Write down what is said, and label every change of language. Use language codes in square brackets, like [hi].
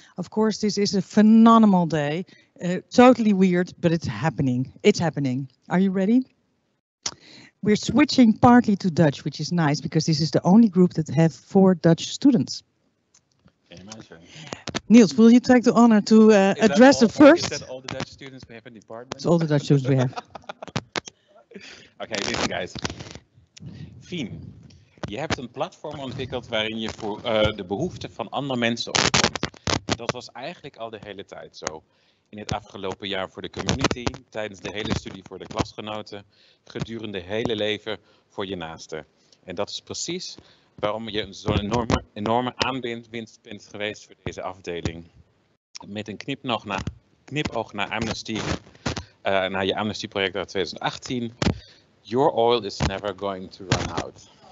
[en] Of course, this is a phenomenal day. Totally weird, but it's happening. It's happening. Are you ready? We're switching partly to Dutch, which is nice because this is the only group that have four Dutch students. Niels, will you take the honor to address all, it first? Is that all the Dutch students we have in the department? It's all the Dutch students we have. Okay, listen guys. [nl] Fien, je hebt een platform ontwikkeld waarin je voor de behoeften van andere mensen opkomt. Dat was eigenlijk al de hele tijd zo. In het afgelopen jaar voor de community, tijdens de hele studie voor de klasgenoten, gedurende het hele leven voor je naasten. En dat is precies waarom je zo'n enorme aanwinst bent geweest voor deze afdeling. Met een knipoog naar Amnesty, naar je Amnesty-project uit 2018. [en] Your oil is never going to run out.